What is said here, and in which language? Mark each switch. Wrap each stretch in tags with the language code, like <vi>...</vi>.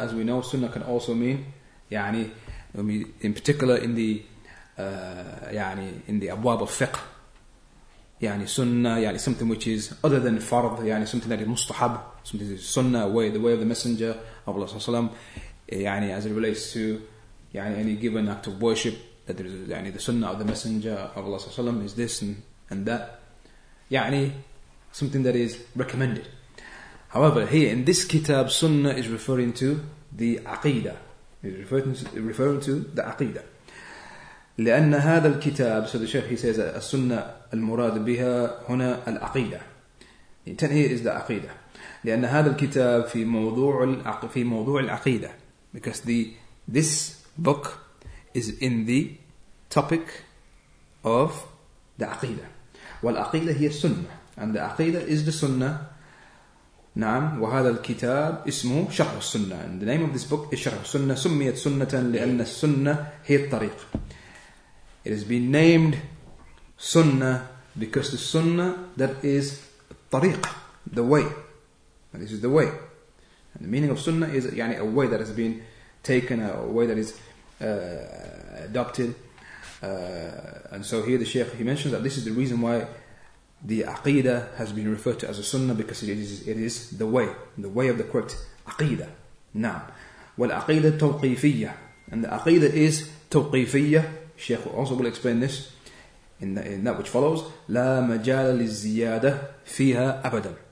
<en>As we know, Sunnah can also mean, yani, in particular in the Abwab of Fiqh, يعني sunnah, يعني something which is other than fard, يعني something that is mustahab, something that is sunnah, the way of the Messenger of Allah sallallahu alaihi wasallam, يعني as it relates to يعني any given act of worship, that there is يعني the sunnah of the Messenger of Allah sallallahu alaihi wasallam is this and that, يعني something that is recommended. However, here in this kitab, sunnah is referring to the aqidah. It is referring to the aqidah.</en> <ar>لأن هذا الكتاب,</ar> <en>so the Shaykh, he says,</en> <ar>السنة المراد بها هنا العقيدة.</ar> <en>The intent here is the عقيدة.</en> <ar>لأن هذا الكتاب في موضوع العقيدة.</ar> <en>Because this book is in the topic of the عقيدة.</en> <ar>والعقيدة هي السنة.</ar> <en>And the عقيدة is the سنة.</en> <ar>نعم. وهذا الكتاب اسمه شرح السنة.</ar> <en>And the name of this book is شرح السنة.</en> <ar>سميت سنة لأن السنة هي الطريق.</ar> <en>It has been named Sunnah because the Sunnah, that is Tariq, the way. And this is the way. And the meaning of Sunnah is يعني, a way that has been taken, a way that is adopted. And so here the Shaykh, he mentions that this is the reason why the Aqeedah has been referred to as a Sunnah, because it is the way of the correct Aqeedah. Naam.</en> <ar>Wal Aqeedah Tawqifiyya.</ar> <en>And the Aqeedah is Tawqifiyya. Shaykh also will explain this in that which follows.</en> <ar>لا مجال للزيادة فيها أبدا.</ar>